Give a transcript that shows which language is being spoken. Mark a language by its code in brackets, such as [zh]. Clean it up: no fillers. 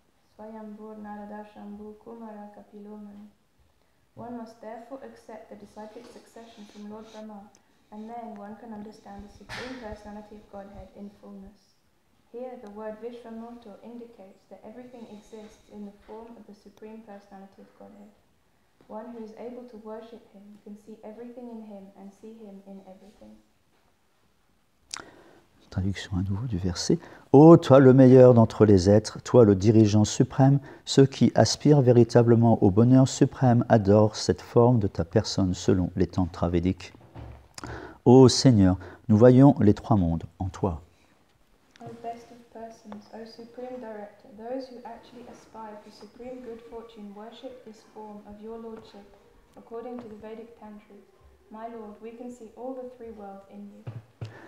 [en] Svayambhur Narada Shambhu Kumara Kapilomani. One must therefore accept the disciplic succession from Lord Brahma, and then one can understand the Supreme Personality of Godhead in fullness. Here, the word Vishvamurto indicates that everything exists in the form of the Supreme Personality of Godhead. One who is able to worship him can see everything in him and see him in everything. [fr] Traduction à nouveau du verset. Ô toi le meilleur d'entre les êtres, toi le dirigeant suprême, ceux qui aspirent véritablement au bonheur suprême adorent cette forme de ta personne selon les tantras védiques. Ô Seigneur, nous voyons les trois mondes en toi. [en] Ô best of persons, ô supreme director, those who actually aspire for supreme good fortune worship this form of your lordship according to the Vedic Tantra. My lord, we can see all the three worlds in you.